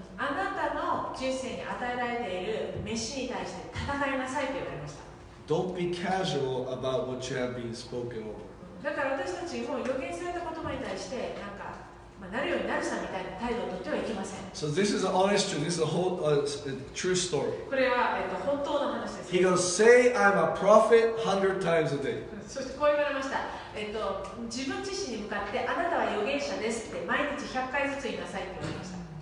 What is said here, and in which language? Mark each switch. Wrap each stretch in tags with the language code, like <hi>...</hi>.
<ja>あなたの人生に与えられている飯に対して戦いなさいと言われました。</ja> <en>Don't be casual about what you have been spoken over.</en> <ja>だから私たちも予言された言葉に対してなんか、まあ、なるようになるさみたいな態度をとってはいけません。</ja> <en>So this is an honest truth. This is a whole a true story.</en> <ja>これは本当の話です。</ja> <en>He goes, say I'm a prophet 100 times a day.</en> <ja>そしてこう言われました。自分自身に向かってあなたは預言者ですって毎日100回ずつ言いなさいって言われました。</ja>